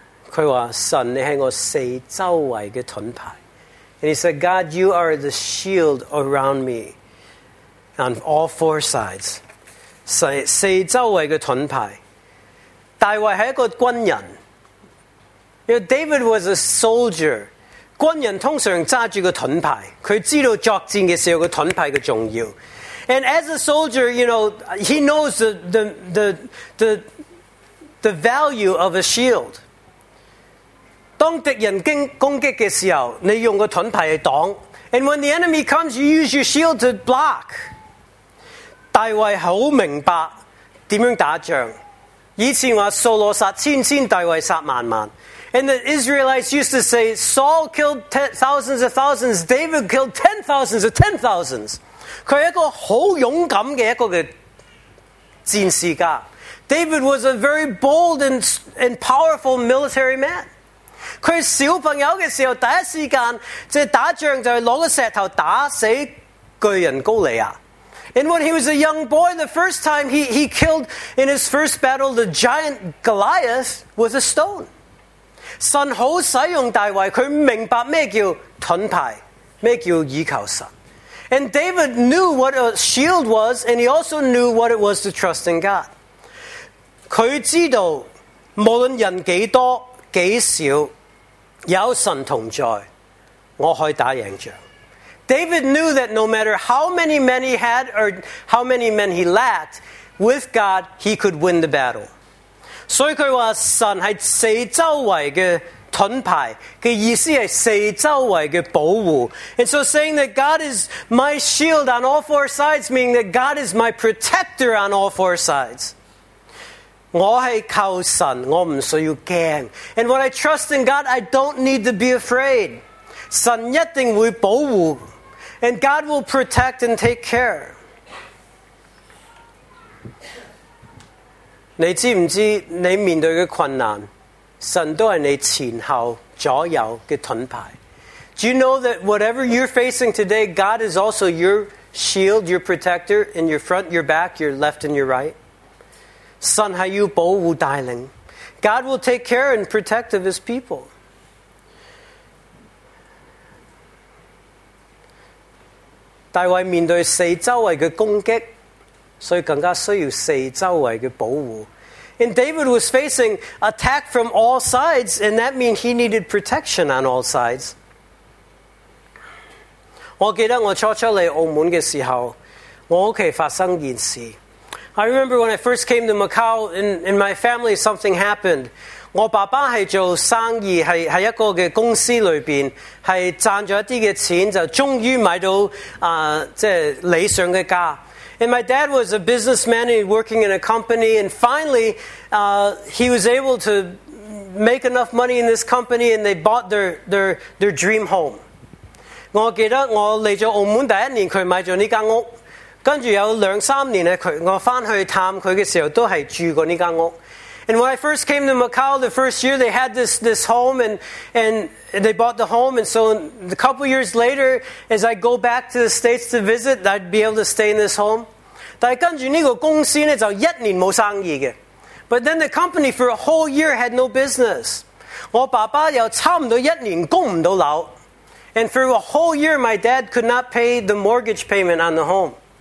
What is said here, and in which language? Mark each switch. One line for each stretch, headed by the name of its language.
Chinese: 他说，神，你是我四周围的盾牌。
English: And he said, God, you are the shield around me on all four sides.
Chinese: 四周围的盾牌。大卫是一个军人。
English: You know, David was a soldier.
Chinese: 军人通常拿着个盾牌，他知道作战的时候个盾牌的重要。
English: And as a soldier, you know, he knows the value of a shield.
Chinese: 当敌人攻击的时候，你用个盾牌去挡。
English: And when the enemy comes, you use your shield to block.
Chinese: 大卫好明白点样打仗。以前话扫罗杀千千，大卫杀万万。
English: And the Israelites used to say, Saul killed thousands of thousands, David killed ten thousands of ten thousands.
Chinese: 他是一个好勇敢的一个的战士家。
English: David was a very bold and powerful military man.
Chinese: 他小朋友的时候第一时间就打仗就拿个石头打死巨人高利亚。
English: And when he was a young boy, the first time he killed in his first battle the giant Goliath with a stone.
Chinese: 神好使用大卫，他明白咩叫盾牌，咩叫倚靠神。
English: And David knew what a shield was, and he also knew what it was to trust in God.
Chinese: 他知道无论人几多几少，有神同在，我可以打赢仗。
English: David knew that no matter how many men he had or how many men he lacked, with God he could win the battle.
Chinese: 所以他说神是四周围的盾牌，他意思是四周围的保护。
English: And so saying that God is my shield on all four sides, meaning that God is my protector on all four sides.
Chinese: 我是靠神，我不需要惊。
English: And when I trust in God, I don't need to be afraid.
Chinese: 神一定会保护
English: and God will protect and take care.
Chinese: 你知不知道你面对的困难，神都是你前后左右的盾牌。
English: Do you know that whatever you're facing today, God is also your shield, your protector, in your front, your back, your left and your right?
Chinese: 神是要保护带领。
English: God will take care and protect of his people.
Chinese: 大卫面对四周围的攻击，所以更加需要四周围的保护。
English: And David was facing attack from all sides, and that means he needed protection on all sides.
Chinese: 我记得我初初来澳门的时候，我家发生一件事。
English: I remember when I first came to Macau, in my family something happened.
Chinese: 我爸爸是做生意，是一个的公司里面是赚了一些的钱，就终于买到理想的家。
English: And my dad was a businessman working in a company, and finally he was able to make enough money in this company, and they bought their dream home.
Chinese: 我记得我来了澳门第一年，他买了这间屋，跟着有两三年我回去探他的时候都是住过这间屋。
English: And when I first came to Macau the first year, they had this home, and they bought the home. And so a couple years later, as I go back to the States to visit, I'd be able to stay in this home.
Chinese: 但跟着这个公司呢就一年没生意的。
English: But then the company for a whole year had no business.
Chinese: 我爸爸又差不多一年供不到楼。
English: And for a whole year, my dad could not pay the mortgage payment on the home.